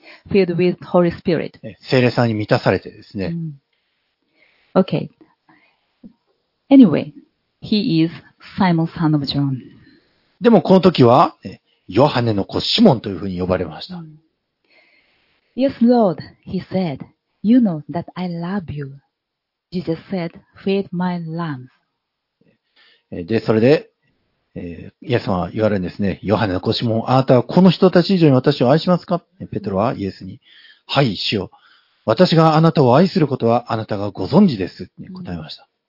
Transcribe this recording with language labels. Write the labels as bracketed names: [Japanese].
[English] Filled with Holy Spirit. [Japanese] 聖霊さんに満たされてですね。 [English] Okay. Anyway, he is Simon, son of John. [Japanese] でもこの時は、ね、ヨハネの子シモンというふうに呼ばれました。 [English] Yes, Lord, he said, you know that I love you. Jesus said, feed my lambs. [Japanese] で、それで、イエス様は言われるんですね。ヨハネの子シモン、あなたはこの人たち以上に私を愛しますか? ペテロはイエスに、はい、主よ。私があなたを愛することはあなたがご存知です。答えました。